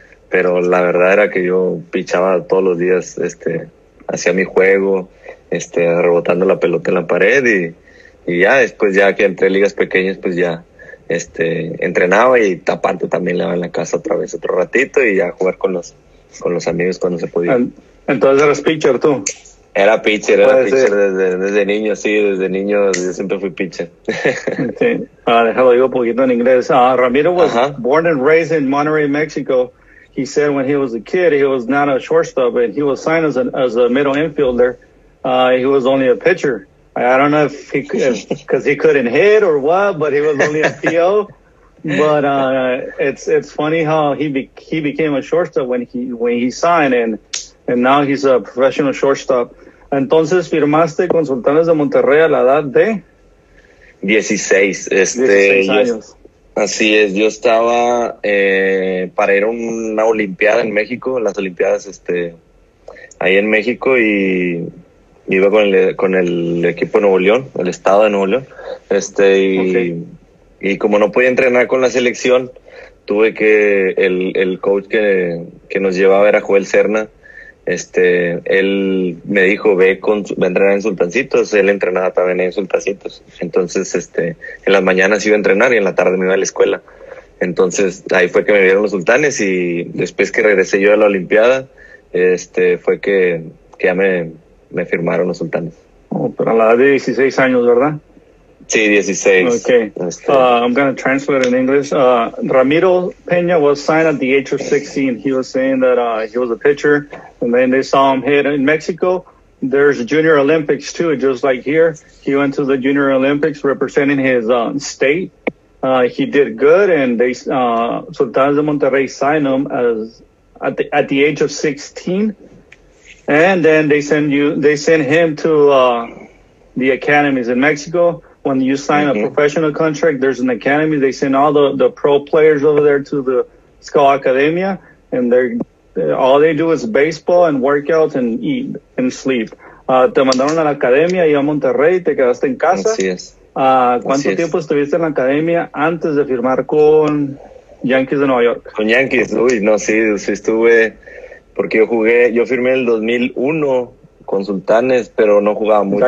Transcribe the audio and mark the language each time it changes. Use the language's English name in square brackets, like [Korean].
[Spanish] Pero la verdad era que yo pichaba todos los días, hacía mi juego, rebotando la pelota en la pared y ya después, ya que entré ligas pequeñas, pues ya entrenaba y aparte también le daba en la casa otra vez otro ratito y ya jugar con los amigos cuando se podía. Entonces eras pitcher tú. Era pitcher desde niño, sí, desde niño yo siempre fui pitcher. Sí, déjalo digo un poquito en inglés. [English] Ramiro was born and raised in Monterrey, Mexico. He said when he was a kid, he was not a shortstop and he was signed as a middle infielder. He was only a pitcher. I don't know if he could, because he couldn't hit or what, but he was only a PO. But it's funny how he became a shortstop when he signed, and now he's a professional shortstop. [Spanish] Entonces, firmaste con Sultanes de Monterrey a la edad de 16. 16 años. Así es. Yo estaba para ir a una olimpiada en México, las olimpiadas ahí en México, y iba con el equipo de Nuevo León, el estado de Nuevo León, y como no podía entrenar con la selección, tuve que el coach que nos llevaba era Joel Serna, él me dijo, ve a entrenar en Sultancitos. Él entrenaba también en Sultancitos, entonces en las mañanas iba a entrenar y en la tarde me iba a la escuela. Entonces ahí fue que me vieron los Sultanes, y después que regresé yo a la olimpiada, fue que ya me firmaron los Sultanes. Oh, pero a la edad de 16 años, ¿verdad? Sí, 16. [English] Okay. I'm going to translate in English. Ramiro Peña was signed at the age of 16. He was saying that he was a pitcher, and then they saw him hit in Mexico. There's Junior Olympics, too, just like here. He went to the Junior Olympics representing his state. He did good, and they Sultanes de Monterrey signed him at the age of 16. And then they send him to the academies in Mexico. When you sign a professional contract, there's an academy. They send all the pro players over there to the Scout Academia, and all they do is baseball and workouts and eat and sleep. [Spanish] Te mandaron a la academia y a Monterrey, te quedaste en casa. Así es. ¿Cuánto tiempo estuviste en la academia antes de firmar con Yankees de Nueva York? Con Yankees, sí estuve. Porque yo firmé el 2001 con Sultanes, pero no jugaba mucho.